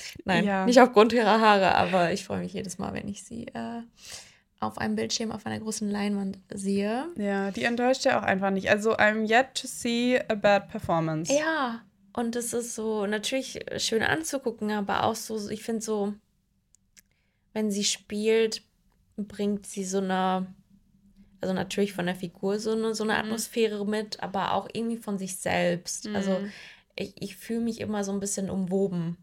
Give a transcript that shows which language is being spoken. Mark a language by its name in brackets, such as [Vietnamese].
[German] Nein, nicht aufgrund ihrer Haare, aber ich freue mich jedes Mal, wenn ich sie auf einem Bildschirm, auf einer großen Leinwand sehe. Ja, die enttäuscht ja auch einfach nicht. [English] Also, I'm yet to see a bad performance. [German] Ja, und es ist so natürlich schön anzugucken, aber auch so, ich finde so, wenn sie spielt, bringt sie so eine, also natürlich von der Figur so eine Atmosphäre mit, aber auch irgendwie von sich selbst. Mhm. Also, ich fühle mich immer so ein bisschen umwoben.